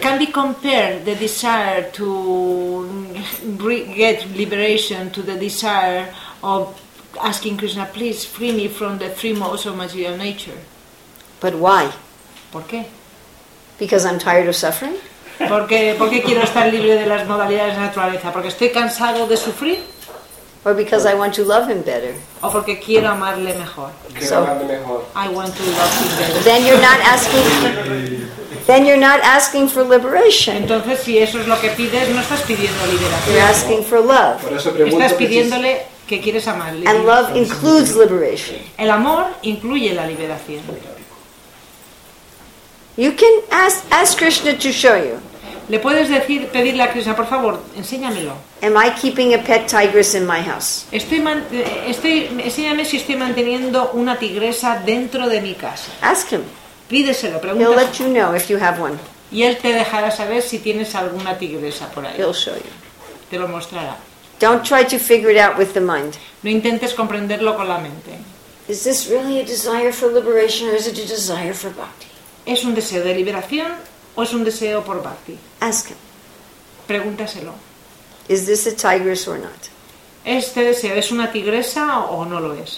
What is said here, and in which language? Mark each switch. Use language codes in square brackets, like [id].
[en] Can we compare the desire to get liberation to the desire of asking Krishna, please free me from the three modes of material nature? But why? [es] ¿Por qué? [en] Because I'm tired of suffering. [es] ¿Por qué quiero estar libre de las modalidades de naturaleza? ¿Porque estoy cansado de sufrir? [en] Or because I want to love him better. [es] O porque quiero amarle mejor. Quiero amarle mejor. [en] I want to love him better. Then you're not asking. then you're not asking for liberation. [es] Entonces, si eso es lo que pides, no estás pidiendo liberación. [en] You're asking for love. [es] Por eso pregunto, estás pidiéndole que quieres amar. [en] And love includes liberation. [es] El amor incluye la liberación. [en] You can ask Krishna to show you. [es] Le puedes decir, pedirle a Krishna, por favor, enséñamelo. [en] Am I keeping a pet tigress in my house? [es] Enséñame si estoy manteniendo una tigresa dentro de mi casa. [en] Ask him. [es] Pídeselo, pregúntale. [en] He'll let you know if you have one. [es] Y él te dejará saber si tienes alguna tigresa por ahí. [en] He'll show you. [es] Te lo mostrará. [en] Don't try to figure it out with the mind. [es] No intentes comprenderlo con la mente. [en] Is this really a desire for liberation or is it a desire for bhakti? [es] ¿Es un deseo de liberación o es un deseo por bhakti? [en] Ask him. [es] Pregúntaselo. [en] Is this a tigress or not? [es] ¿Este deseo es una tigresa o no lo es?